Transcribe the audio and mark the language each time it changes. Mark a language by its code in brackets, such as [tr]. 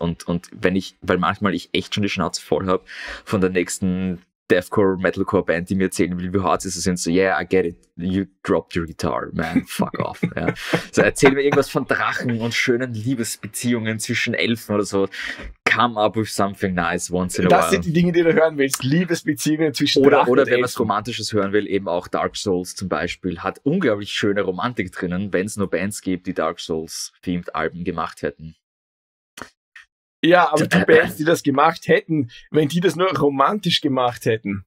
[de] Und wenn ich, weil manchmal ich echt schon die Schnauze voll habe von der nächsten Deathcore, Metalcore Band, die mir erzählen will, wie hart sie sind, so, [en] yeah, I get it, you dropped your guitar, man, fuck off. [de] Ja. So, erzähl mir irgendwas von Drachen und schönen Liebesbeziehungen zwischen Elfen oder so. [en] Come up with something nice once in a while. [de] Das sind die Dinge, die du hören willst, Liebesbeziehungen zwischen Drachen und Elfen. Oder wenn man was Romantisches hören will, eben auch Dark Souls zum Beispiel, hat unglaublich schöne Romantik drinnen, wenn es nur Bands gibt, die Dark Souls-themed Alben gemacht hätten. Ja, aber die Bands, die das gemacht hätten, wenn die das nur romantisch gemacht hätten.